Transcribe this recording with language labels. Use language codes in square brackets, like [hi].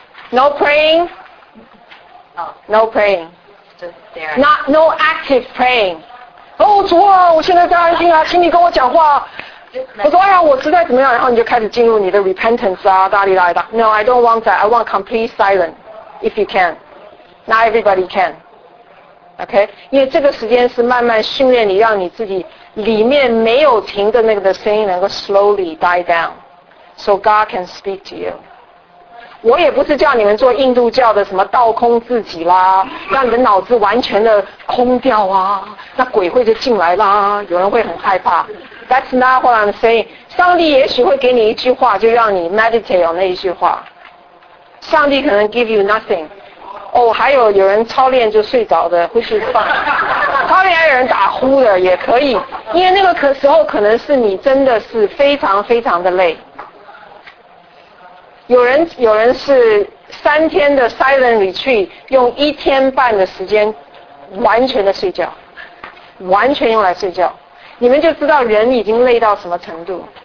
[zh] 5到8分钟我们需要祷告还是 [en] No praying、oh. No praying Not, No active praying。 [zh] Oh 主啊，我现在在安静啊，请你跟我讲话。我说哎呀，我实在怎么样，然后你就开始进入你的 [en] repentance [zh] 啊，大力来的。 [en] No, I don't want that. I want complete silent if you can. Not everybody can. [zh] OK， 因为这个时间是慢慢训练你，让你自己里面没有停的那个的声音能够 [en] slowly die down， so God can speak to you。 [zh] 我也不是叫你们做印度教的什么倒空自己啦，让你的脑子完全的空掉啊，那鬼会就进来啦，有人会很害怕。 [en] That's not what I'm saying。 [zh] 上帝也许会给你一句话，就让你 [en] meditate on [zh] 那一句话。上帝可能 [en] give you nothing。 [zh] 哦，还有有人操练就睡着的，呼吸放操练，还有人打呼的也可以，因为那个时候可能是你真的是非常非常的累。有人是三天的 [en] silent retreat， [zh] 用一天半的时间完全的睡觉，完全用来睡觉，你们就知道人已经累到什么程度。